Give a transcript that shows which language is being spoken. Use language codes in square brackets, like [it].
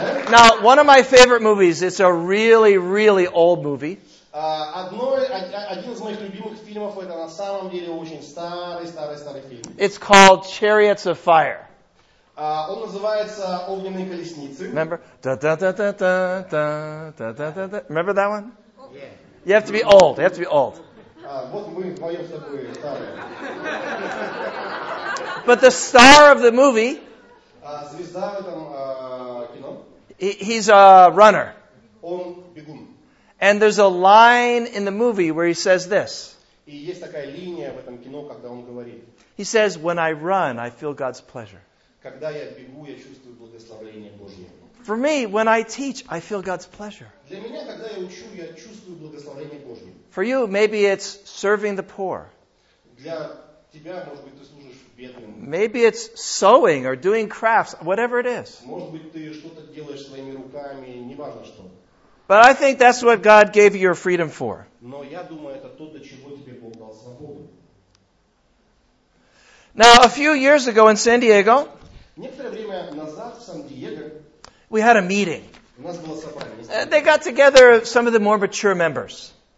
[en] Now, one of my favorite movies, it's a really, really old movie. [ru] Один из моих любимых фильмов, это на самом деле очень старый фильм. [en] It's called Chariots of Fire. [ru] Он называется «Огненные колесницы». [en] Remember? Da-da-da-da-da-da-da-da-da-da. Remember that one? Yeah. You have to be old. [ru] Вот мы вдвоем с тобой старые. [en] But the star of the movie... [ru] Звезда в этом кино. [en] He's a runner. [ru] Он бегун. [en] And there's a line in the movie where he says this. [ru] И есть такая линия в этом кино, когда он говорит. [en] He says, when I run, I feel God's pleasure. [ru] Когда я бегу, я чувствую благословение Божье. [en] For me, when I teach, I feel God's pleasure. [ru] Для меня, когда я учу, я чувствую благословение Божье. [en] For you, maybe it's serving the poor. [ru] Для тебя, может быть, ты служишь. [en] Maybe it's sewing or doing crafts, whatever it is. [ru] Может быть, ты что-то делаешь своими руками, неважно что. [en] But I think that's what God gave you your freedom for. [ru] Но я думаю, это то, для чего тебе Бог дал свободу. [en] Now, a few years ago in San Diego, [ru] некоторое время назад в Сан-Диего, [en] we had a meeting. [ru] У нас было собрание. [en] They got together some of the more mature members.